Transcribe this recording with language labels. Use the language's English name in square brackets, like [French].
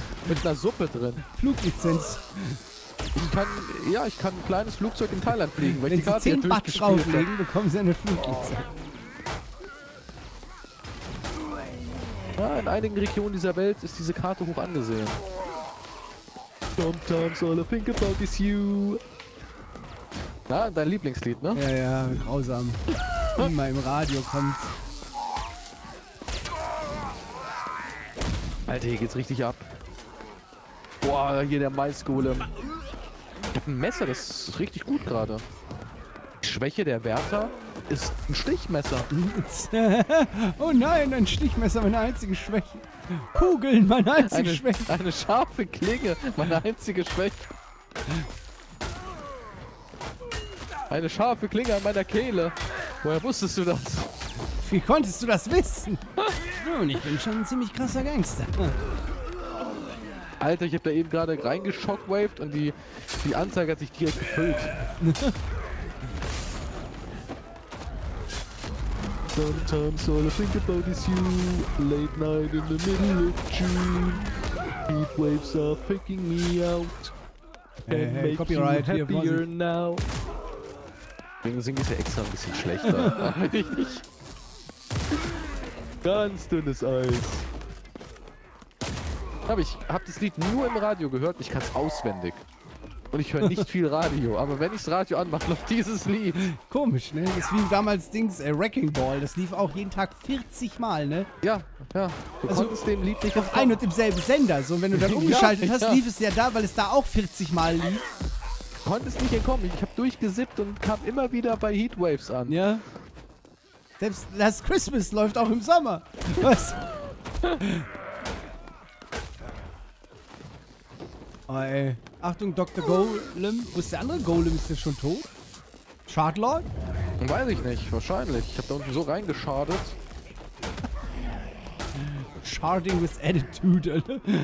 [German] Mit einer Suppe drin. Fluglizenz. Ich kann ein kleines Flugzeug in Thailand fliegen, weil wenn ich die Karte sie 10 Baht drauflegen, bekommen sie eine Fluglizenz. Ja, in einigen Regionen dieser Welt ist diese Karte hoch angesehen. [English] Sometimes all I think about is you. [German] Na, dein Lieblingslied, ne? Ja, ja, grausam. Immer im Radio kommt. Alter, hier geht's richtig ab. Boah, hier der Maisgolem. Ich hab ein Messer, das ist richtig gut gerade. Die Schwäche der Wärter ist ein Stichmesser. Oh nein, ein Stichmesser, meine einzige Schwäche. Kugeln, meine einzige Schwäche. Eine scharfe Klinge, meine einzige Schwäche. Eine scharfe Klinge an meiner Kehle. Woher wusstest du das? Wie konntest du das wissen? Nun, ich bin schon ein ziemlich krasser Gangster. Alter, ich hab da eben gerade reingeschockwaved und die Anzeige hat sich direkt gefüllt. [English] Sometimes all I think about is you. Late night in the middle of June. Heat waves are faking me out. Hey, make copyright you happier hier now. [German] Wegen Sing ist ja extra ein bisschen schlechter. Ganz dünnes Eis. Aber ich hab das Lied nur im Radio gehört, ich kann's auswendig. Und ich höre nicht viel Radio, aber wenn ich das Radio anmache, läuft dieses Lied. Komisch, ne? Das ist wie damals Dings, Wrecking Ball. Das lief auch jeden Tag 40 Mal, ne? Ja, ja. Du also konntest dem Lied nicht auf ein und demselben Sender. So, wenn du dann umgeschaltet hast, lief es ja da, weil es da auch 40 Mal lief. Du konntest nicht entkommen. Ich hab durchgesippt und kam immer wieder bei Heatwaves an. Ja. Selbst Last Christmas läuft auch im Sommer. Was? Oh, ey. Achtung, Dr. Golem. Wo ist der andere Golem? Ist der schon tot? Schadlord? Weiß ich nicht. Wahrscheinlich. Ich hab da unten so reingeschadet. [English] Sharding with attitude, Alter.